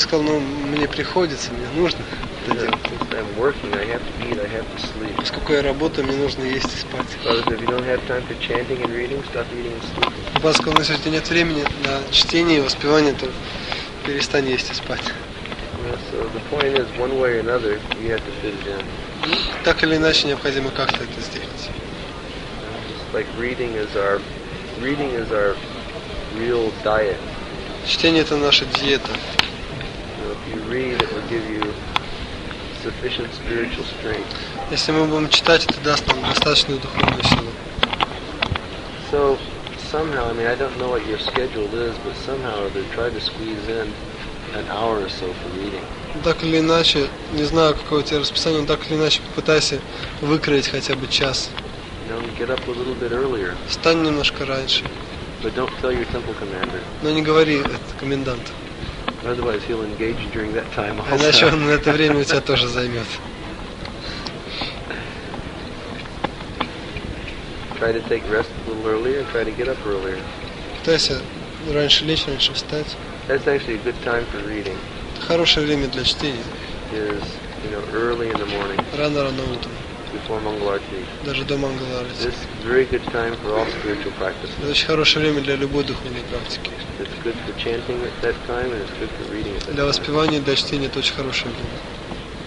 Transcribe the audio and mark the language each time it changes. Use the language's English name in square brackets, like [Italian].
[Russian] сказал, ну, мне приходится, мне нужно это делать. [English] I'm working, I have to eat, I have to sleep. [Russian] Поскольку я работаю, мне нужно есть и спать. [English] Father, if you don't have time for chanting and reading, stop eating and sleeping. [Russian] Папа сказал, если у тебя нет времени на чтение и воспевание, то перестань есть и спать. [English] So the point is, one way or another, you have to fit it in. [Russian] Так или иначе, необходимо как-то это сделать. [English] Reading is our real diet. [Russian] Чтение – это наша диета. [English] So if you read, it will give you sufficient spiritual strength. [Russian] Если мы будем читать, это даст нам достаточную духовную силу. [English] So somehow, I mean, I don't know what your schedule is, but somehow they try to squeeze in an hour or so for reading. [Russian] Так или иначе, не знаю, какое у тебя расписание, но так или иначе, попытайся выкроить хотя бы час. [English] Get up a little bit earlier. [Russian] Встань немножко раньше. [English] But don't tell your temple commander. [Russian] Но не говори это коменданту. [English] Otherwise he'll engage during that time also. [Russian] Иначе он это время у тебя тоже займет. [English] Try to take rest a little earlier and try to get up earlier. [Russian] Пытайся раньше лечь, раньше встать. [English] That's actually a good time for reading. [Russian] Это хорошее время для чтения. [English] Is, you know, early in the morning. [Russian] Рано-рано утром. [English] Before Mangal Arati. [Russian] Даже до Mangal Arati. [English] This is very good time for all spiritual practices. [Russian] Это очень хорошее время для любой духовной практики. [English] It's good for chanting at that time and it's good for reading at that time. [Russian] Для воспевания, для чтения это очень хорошее время.